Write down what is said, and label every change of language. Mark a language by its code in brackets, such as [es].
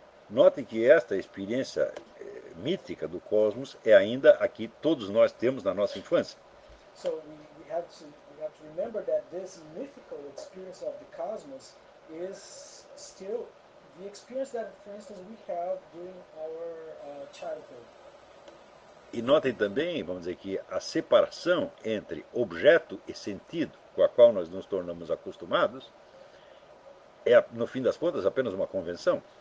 [pt] Note que esta experiência mítica do cosmos é ainda a que todos nós temos na nossa infância. [en] So we have to remember that this mythical experience of the cosmos is still the experience that, for instance, we have during our childhood. [pt] E notem também, vamos dizer, que a separação entre objeto e sentido com a qual nós nos tornamos acostumados é, no fim das contas, apenas uma convenção.